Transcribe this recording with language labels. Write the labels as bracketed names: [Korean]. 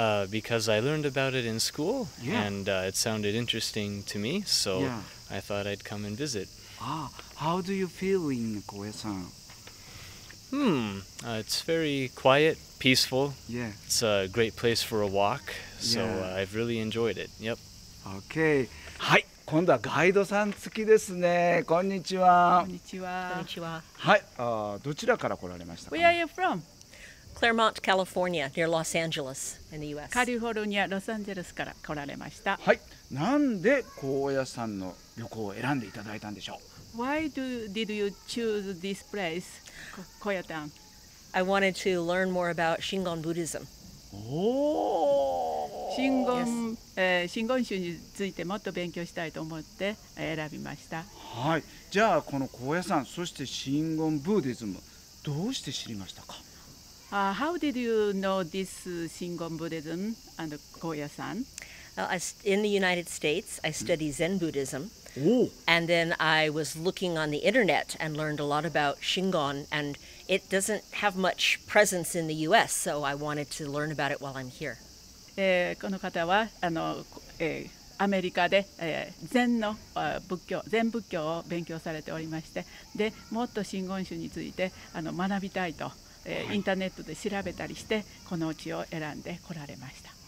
[English] Because I learned about it in school, and it sounded interesting to me, so I thought I'd come and visit. How do you feel in Koyasan? It's very quiet, peaceful. Yeah. It's a great place for a walk, so I've really enjoyed it. Yep. Okay. [Japanese] はい、今度はガイドさん付きですね。こんにちは。こんにちは。はい、どちらから来られましたか、 [English] ね、Where are you from? Claremont, California, near Los Angeles in the U.S. [Japanese] カリフォルニア、ロサンゼルスから来られました。はい。なんで高野山の旅行を選んでいただいたんでしょう? [English] Why did you choose this place, 高野山? I wanted to learn more about Shingon Buddhism. おー! [Japanese] 真言宗についてもっと勉強したいと思って選びました。はい。じゃあこの高野山、そして真言ブーディズム、どうして知りましたか? [English] How did you know this 真言 Buddhism and 高野山? In the United States, I studied Zen Buddhism. Oh. And then I was looking on the internet and learned a lot about Shingon. And it doesn't have much presence in the U.S., so I wanted to learn about it while I'm here. [Japanese] この方はアメリカで禅の仏教、禅仏教を勉強されておりまして、でもっと真言宗について学びたいと、インターネットで調べたりして、この地を選んで来られました。